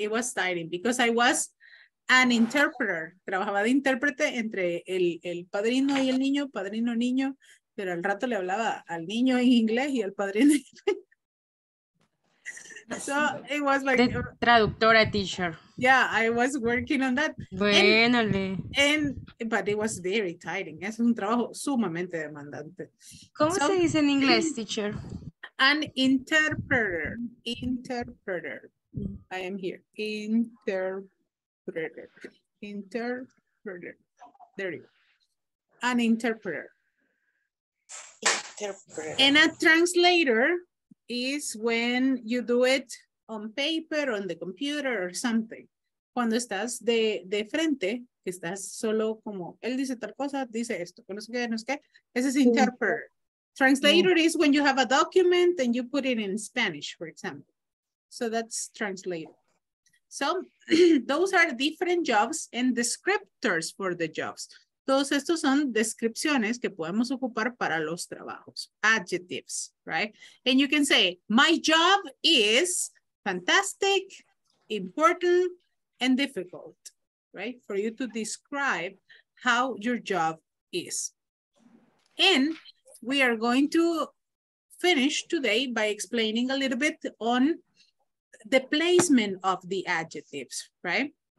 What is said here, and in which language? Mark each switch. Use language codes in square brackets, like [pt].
[en] It was tiring because I was an interpreter. [es] Trabajaba de intérprete entre el padrino y el niño, padrino-niño, pero al rato le hablaba al niño en inglés y al padrino en inglés. [en] So it was like... [es] Traductora, teacher. [en] Yeah, I was working on that. [es] Bueno, [en] but it was very tiring. [es] Es un trabajo sumamente demandante. ¿Cómo se dice en inglés, teacher? [en] An interpreter. Interpreter. I am here. Interpreter. Interpreter. There you go. An interpreter. Interpreter. And a translator is when you do it on paper, on the computer, or something. [es] Cuando estás de frente, que estás solo como, él dice tal cosa, dice esto, no sé qué, no sé qué. Ese es interpreter. [en] Translator is when you have a document and you put it in Spanish, for example. So that's translator. So those are different jobs and descriptors for the jobs. [es] Todos estos son descripciones que podemos ocupar para los trabajos. [en] Adjectives, right? And you can say, my job is fantastic, important, and difficult, right? For you to describe how your job is. And we are going to finish today by explaining a little bit on the placement of the adjectives, right?